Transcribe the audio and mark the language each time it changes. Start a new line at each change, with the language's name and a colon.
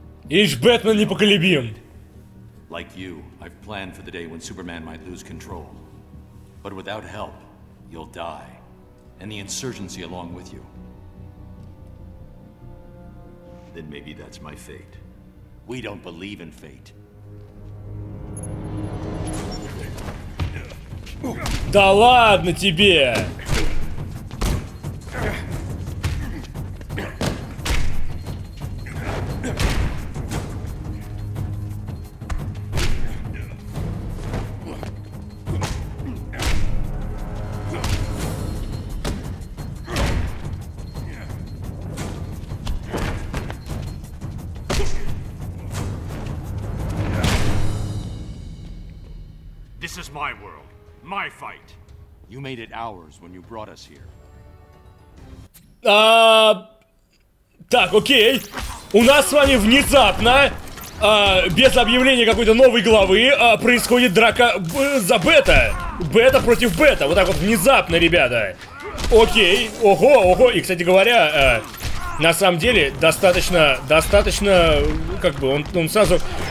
Russian: Ишь, Бэтмен непоколебим.
English: Like you, I've planned for the day when Superman might lose control. But without help, you'll die, and the insurgency along with you. Then maybe that's my fate. We don't believe in fate.
Russian: Да ладно тебе!
English: This is my world. My fight. You made it ours when you brought us here.
Russian: Так, окей. У нас с вами внезапно, без объявления какой-то новой главы, происходит драка за Бета. Бета против Бета. Вот так вот внезапно, ребята. Окей. Ого, ого. И, кстати говоря, на самом деле достаточно, как бы он сразу.